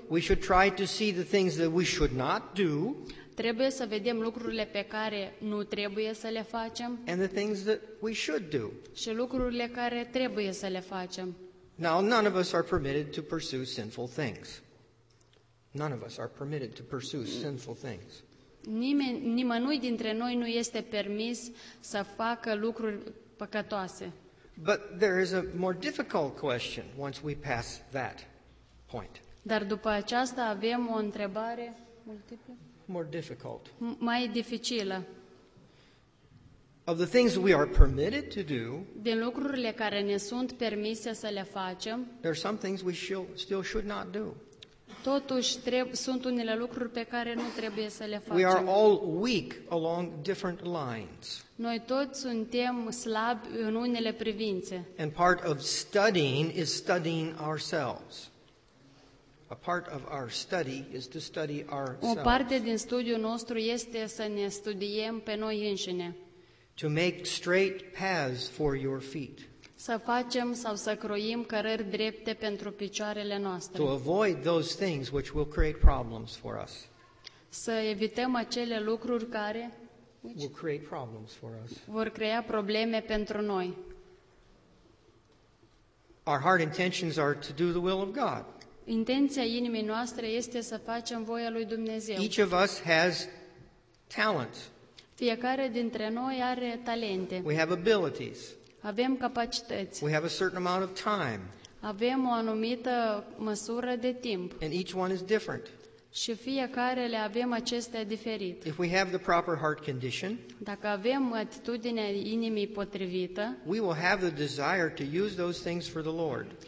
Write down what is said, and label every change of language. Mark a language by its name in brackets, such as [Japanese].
[English] We should try to see the things that we should not do. [Romanian] Trebuie să vedem lucrurile pe care nu trebuie să le facem. [English] And the things that we should do. [Romanian] Și lucrurile care trebuie să le facem. [English] Now, none of us are permitted to pursue sinful things. None of us are permitted to pursue sinful things. [Romanian] Nimănui dintre noi nu este permis să facă lucruri păcătoase. [English] But there is a more difficult question once we pass that point. [Romanian] Dar după aceasta avem o întrebare multiplă. [English] More difficult. [Romanian] Mai dificilă. [English] of the things we are permitted to do, [Romanian] din lucrurile care ne sunt permise să le facem, [English] there are some things we still should not do. [Romanian] Totuși, sunt unele lucruri pe care nu trebuie să le facem. [English] We are all weak along different lines. [Romanian] Noi toți suntem slabi în unele privințe. [English] And part of studying is studying ourselves. A part of our study is to study ourselves. [Romanian] O parte din studiul nostru este să ne studiem pe noi înșine. [English] To make straight paths for your feet. [Romanian] Să facem sau să croim cărări drepte pentru picioarele noastre. [English] To avoid those things which will create problems for us. [Romanian] Să evităm acele lucruri care [English] will create problems for us. [Romanian] Vor crea probleme pentru noi. [English] Our heart intentions are to do the will of God. [Romanian] Intenția inimii noastre este să facem voia lui Dumnezeu. [English] Each of us has talents. [Romanian] Fiecare dintre noi are talente. [English] We have abilities. [Romanian] Avem capacități. [English] We have a certain amount of time. [Romanian] Avem o anumită măsură de timp. [English] And each one is different. [Romanian] Și fiecare le avem acestea diferit. [English] If we have the proper heart condition, [Romanian] dacă avem atitudinea inimii potrivită, [English] we will have the desire to use those things for the Lord.